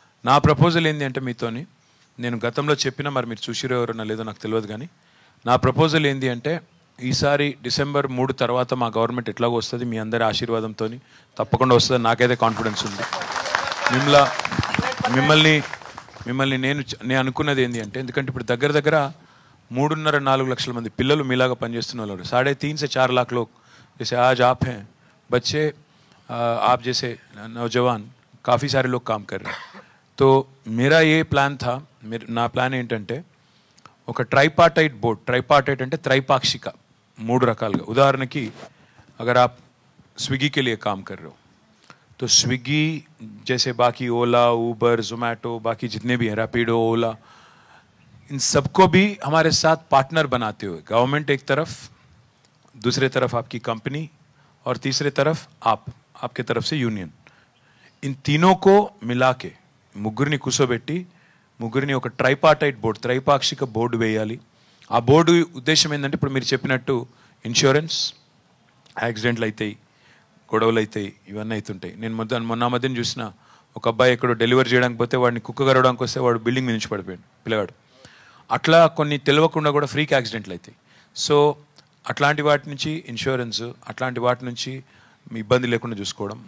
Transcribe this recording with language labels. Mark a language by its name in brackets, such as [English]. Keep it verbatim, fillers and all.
[Telugu] నా ప్రపోజల్ ఏంటి అంటే, మీతోని నేను గతంలో చెప్పినా, మరి మీరు చూసిరో ఎవరన్నా లేదో నాకు తెలియదు, కానీ నా ప్రపోజల్ ఏంటి అంటే, ఈసారి డిసెంబర్ మూడు తర్వాత మా గవర్నమెంట్ ఎట్లాగో వస్తుంది, మీ అందరి ఆశీర్వాదంతో తప్పకుండా వస్తుంది. నాకైతే కాన్ఫిడెన్స్ ఉంది. మిమ్మల్ని మిమ్మల్ని మిమ్మల్ని నేను నేను అనుకున్నది ఏంటి అంటే, ఎందుకంటే ఇప్పుడు దగ్గర దగ్గర మూడున్నర నాలుగు లక్షల మంది పిల్లలు మీలాగా పనిచేస్తున్న వాళ్ళు. [Hindi] సాढ़े तीन से चार लाख लोग जैसे आज आप हैं, बच्चे आप जैसे नौजवान, काफ़ी सारे लोग काम कर रहे हैं. तो मेरा ये प्लान था, मेरा ना [Telugu] ప్లాన్ ఏంటంటే, ఒక ట్రైపార్టైట్ బోర్డ్. ట్రైపార్టైట్ అంటే త్రైపాక్షిక, మూడు రకాలుగా. [Hindi] ఉదాహరణకి అగర్ आप स्विगी के लिए काम कर रहे हो तो स्विगी जैसे बाकी ओला, ऊबर, जोमेटो, बाकी जितने भी हैं, रैपिडो, ओला, इन सबको भी हमारे साथ पार्टनर बनाते हुए गवर्नमेंट एक तरफ, दूसरे तरफ आपकी कंपनी और तीसरे तरफ आप, आपके तरफ से यूनियन, इन तीनों को मिला के [Telugu] ముగ్గురిని కూర్చోబెట్టి ముగ్గురిని ఒక ట్రైపార్టైట్ బోర్డు, త్రైపాక్షిక బోర్డు వేయాలి. ఆ బోర్డు ఉద్దేశం ఏంటంటే, ఇప్పుడు మీరు చెప్పినట్టు ఇన్సూరెన్స్, యాక్సిడెంట్లు అవుతాయి, గొడవలు అవుతాయి, ఇవన్నీ అవుతుంటాయి. నేను మొన్న మొన్న మధ్యన చూసిన ఒక అబ్బాయి ఎక్కడో డెలివరీ చేయడానికి పోతే వాడిని కుక్క కరవడానికి వస్తే వాడు బిల్డింగ్ మీద నుంచి పడిపోయాడు పిల్లగాడు. అట్లా కొన్ని తెలియకుండా కూడా ఫ్రీక్ యాక్సిడెంట్లు అవుతాయి. సో అట్లాంటి వాటి నుంచి ఇన్సూరెన్స్, అట్లాంటి వాటి నుంచి మీ ఇబ్బంది లేకుండా చూసుకోవడం.